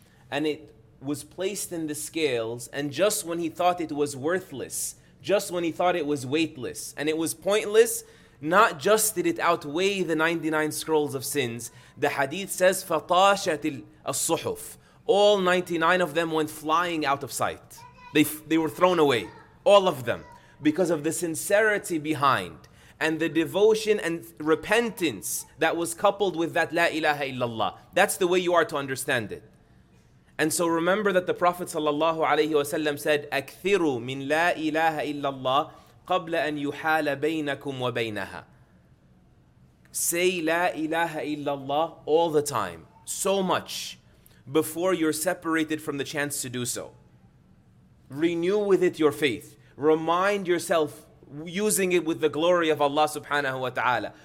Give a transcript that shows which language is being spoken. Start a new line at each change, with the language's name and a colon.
English: And it was placed in the scales, and just when he thought it was worthless, just when he thought it was weightless, and it was pointless, not just did it outweigh the 99 scrolls of sins, the hadith says, فَطَاشَتِ الصُّحُفِ. All 99 of them went flying out of sight. They were thrown away, all of them, because of the sincerity behind and the devotion and repentance that was coupled with that La ilaha illallah. That's the way you are to understand it.
Arabic: And so remember that the Prophet sallallahu alayhi wasallam said, أَكْثِرُوا مِنْ لَا إِلَهَ إِلَّا اللَّهِ قَبْلَ أَنْ يُحَالَ بَيْنَكُمْ وَبَيْنَهَا.
English: Say La ilaha illallah all the time, so much, before you're separated from the chance to do so. Renew with it your faith. Remind yourself, using it with the glory of Allah subhanahu wa ta'ala.